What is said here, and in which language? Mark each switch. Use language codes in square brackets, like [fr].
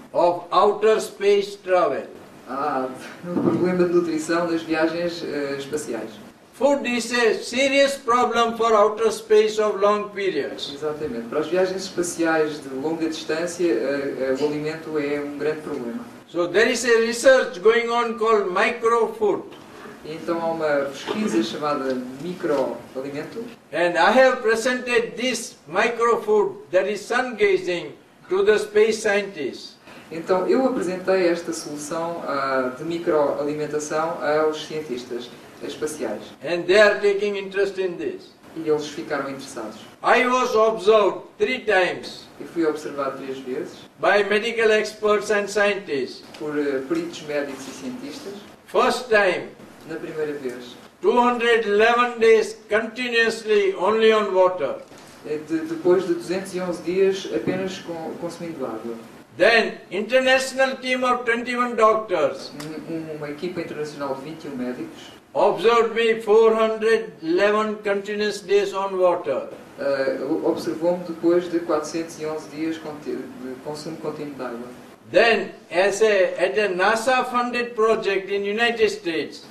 [en] of outer space travel. [pt] O problema de nutrição das viagens espaciais. [en] Food is a serious problem for outer space of long periods. [pt] Exatamente. Para as viagens espaciais de longa distância, o alimento é um grande problema. [en] So there is a research going on called micro food. [pt] Então há uma pesquisa chamada microalimento. [en] And I have presented this micro food that is sun gazing to the space scientists. [pt] Então eu apresentei esta solução de microalimentação aos cientistas espaciais. [en] And they are taking interest in this. [pt] E eles ficaram interessados. [en] I was observed 3 times. [pt] E fui observado 3 vezes. [en] By medical experts and scientists. [pt] Por peritos médicos e cientistas. [en] First time. [pt] Na primeira vez. [en] 211 days continuously only on water. [pt] Depois de 211 dias apenas consumindo água. [en] Then international team of 21 doctors. [pt] Uma equipa internacional de 21 médicos. [en] Observed me 411 continuous days on water. [pt] Observou-me depois de 411 dias de consumo contínuo de água. [en] Then, at a NASA-funded project in United States.